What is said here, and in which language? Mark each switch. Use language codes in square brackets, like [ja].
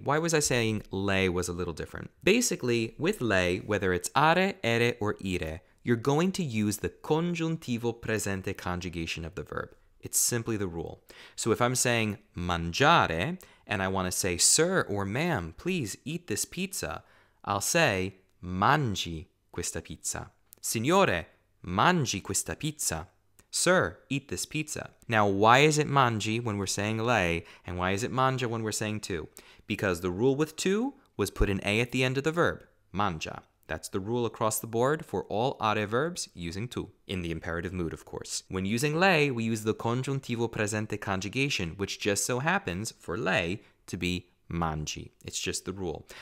[en] Why was I saying lei was a little different? Basically, with lei, whether it's are, ere, or ire, you're going to use the congiuntivo presente conjugation of the verb. It's simply the rule. So if I'm saying mangiare, and I want to say, sir or ma'am, please eat this pizza, I'll say [it] mangi questa pizza. Signore, mangi questa pizza. [en] Sir, eat this pizza. Now, why is it mangi when we're saying lei, and why is it mangia when we're saying tu? Because the rule with tu was put an A at the end of the verb, mangia. That's the rule across the board for all are verbs using tu, in the imperative mood, of course. When using lei, we use the congiuntivo presente conjugation, which just so happens, for lei, to be mangi. It's just the rule.